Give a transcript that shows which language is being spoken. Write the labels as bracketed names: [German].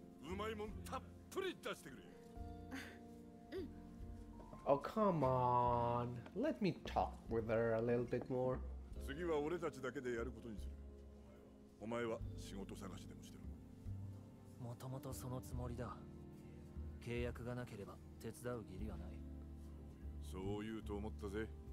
[Japanese] うまいもんたっぷり出してくれ。うん。 [English] Oh, come on. Let me talk with her a little bit more. [Japanese] 次は俺たちだけでやることにする。お前は仕事探しでもしてる。もともとそのつもりだ。契約がなければ手伝う義理はない。そう言うと思ったぜ。